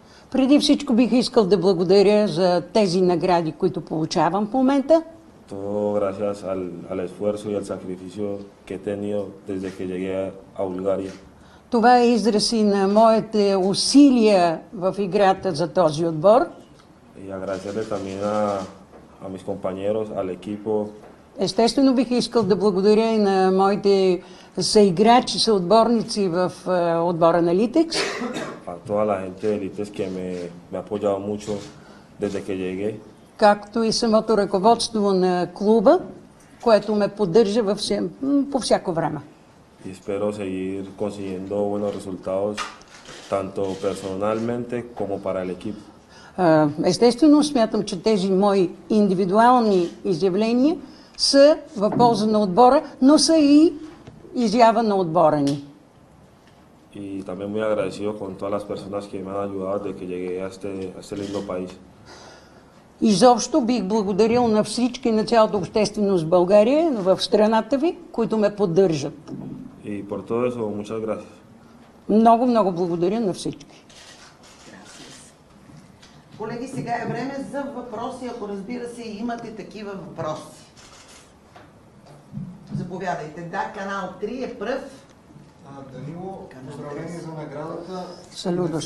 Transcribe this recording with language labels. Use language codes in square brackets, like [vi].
[bg] Преди всичко бих искал да благодаря за тези награди, които получавам в момента. [es] Todo gracias al esfuerzo y al sacrificio que he tenido desde que llegué a Bulgaria. [bg] Това е израз и на моите усилия в играта за този отбор. [es] Y agradecerle también a mis compañeros, al equipo. [bg] Естествено бих искал да благодаря и на моите съиграчи, съотборници в отбора на Литекс. [es] A toda la gente de Elites que me ha apoyado mucho desde que llegué. [bg] Както и самото ръководство на клуба, което ме поддържа по всяко време. [es] Y espero seguir consiguiendo buenos resultados, tanto personalmente como para el equipo. [bg] Естествено, смятам, че тези мои индивидуални изявления са в полза на отбора, но са и изява на отбора ни. [es] Y también muy agradecido con todas las personas que me han ayudado desde que llegué a este lindo país. [bg] Изобщо бих благодарил на всички, на цялата общественост в България, в страната ви, които ме поддържат. [es] Y por todo eso, muchas gracias. [bg] Много, много благодаря на всички. Колеги, сега е време за въпроси, ако разбира се, имате такива въпроси. Заповядайте. Да, канал 3 е пръв. Данило, поздравление за наградата. Салюдаш,